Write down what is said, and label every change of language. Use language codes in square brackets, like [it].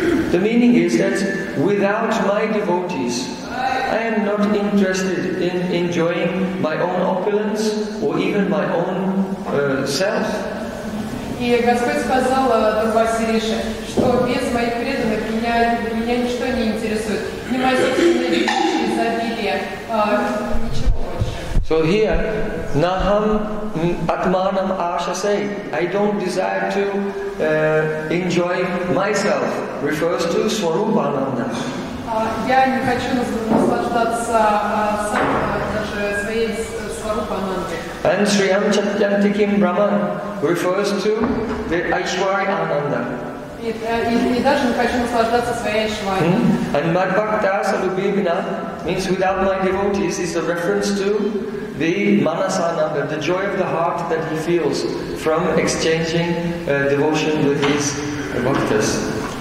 [en] The meaning is that without my devotees, I am not interested in enjoying my own opulence or even my own self. [ru] И Господь сказал Дурвасе Риши, что без моих преданных меня ничто не интересует. Не мое собственное изобилие, ничего больше. [en] So here, Naham Atmanam Ashase, I don't desire to enjoy myself, refers to Swarupa Ananda. [ru] Я не хочу наслаждаться сам, даже своей Swarupa Ананды. [en] And Sriyam Chatyantikim Brahman refers to the Aishwarya Ananda. And Madhvakta Salubhivina means without my devotees is a reference to the Manasananda, the joy of the heart that he feels from exchanging devotion with his bhaktas.